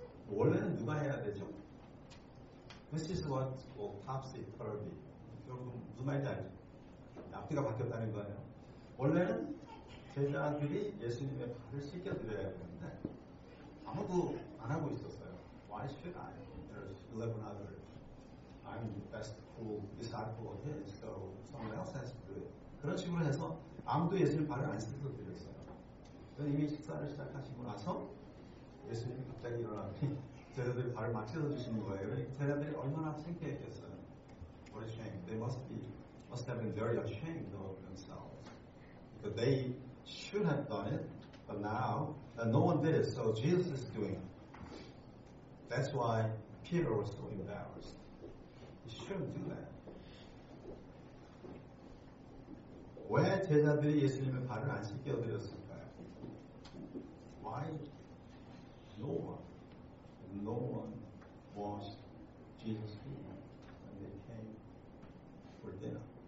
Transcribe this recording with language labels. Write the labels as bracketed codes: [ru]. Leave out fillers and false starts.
[ko] 원래는 누가 해야 되죠? [en] This is what topsy-turvy. [ko] 여러분 무슨 말인지 알죠? 앞뒤가 바뀌었다는 거예요. 원래는 제자들이 예수님의 발을 씻겨드려야 되는데 아무도 안 하고 있었어요. [en] Why should I? There's 11 others. I'm the best cool disciple of his, so someone else has to do it. [ko] 그런 식으로 해서 아무도 예수님 발을 안 씻어드렸어요. 이미 식사를 시작하시고 나서 예수님이 갑자기 일어나더니 제자들이 발을 막 씻어주신 거예요. 제자들이 얼마나 창피했겠어요. [en] What a shame. They must have been very ashamed of themselves. Because they should have done it, but now no one did it, so Jesus is doing it. That's why Peter was so embarrassed. He shouldn't do that. [ko] 왜 제자들이 예수님의 발을 안 씻겨드렸을까? [en] Why no one washed Jesus' feet when they came for dinner?